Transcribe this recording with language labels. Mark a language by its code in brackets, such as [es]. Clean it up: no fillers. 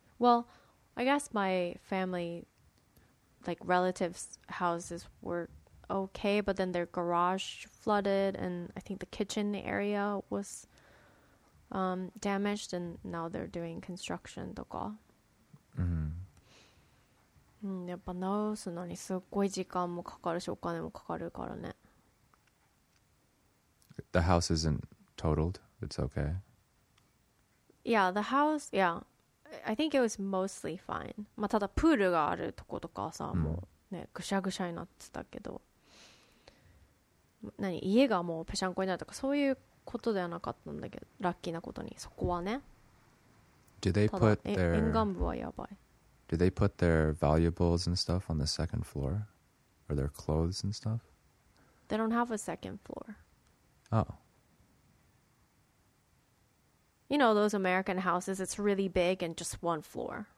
[en] Well, I guess my family, like relatives' houses were okay, but then their garage flooded, and I think the kitchen area was damaged, and now they're doing construction とか。 [ja] やっぱ直すのにすっごい時間もかかるし、お金もかかるからね。 [en] The house isn't totaled. It's okay. Yeah, the house. Yeah, I think it was mostly fine. [ja] まあ、ただプールがあるとことかさ、もうね、ぐしゃぐしゃになってたけど、何、家がもうぺしゃんこになるとかそういうことではなかったんだけど、ラッキーなことにそこはね。 [en] Do they put their [ja] 沿岸部はやばい。 [en] Do they put their valuables and stuff on the second floor? Or their clothes and stuff? They don't have a second floor. Oh. You know those American houses, it's really big and just one floor.